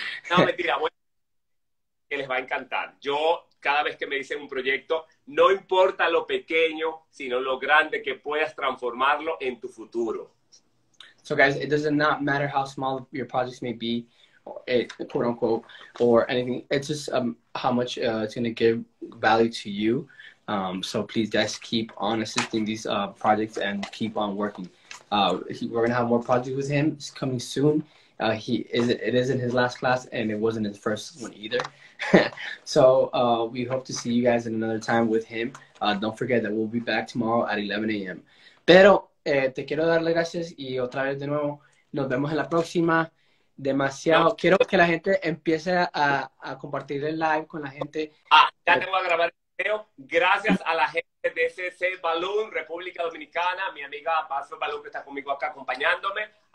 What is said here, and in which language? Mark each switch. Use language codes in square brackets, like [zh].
[es] No, mentira, bueno, que les va a encantar. Yo, cada vez que me dicen un proyecto, no importa lo pequeño, sino lo grande que puedas transformarlo en tu futuro. [en] So guys, it does not matter how small your projects may be, quote unquote, or anything. It's just how much it's going to give value to you. So please, guys, keep on assisting these projects and keep on working. We're going to have more projects with him. It's coming soon. It isn't his last class, and it wasn't his first one either. So we hope to see you guys in another time with him. Don't forget that we'll be back tomorrow at 11 a.m. [es] Pero... te quiero darle gracias y otra vez de nuevo nos vemos en la próxima. Demasiado. No. Quiero que la gente empiece a compartir el live con la gente. Ya te voy a grabar el video. Gracias a la gente de CC Balloon, República Dominicana. Mi amiga Basel Balloon que está conmigo acá acompañándome.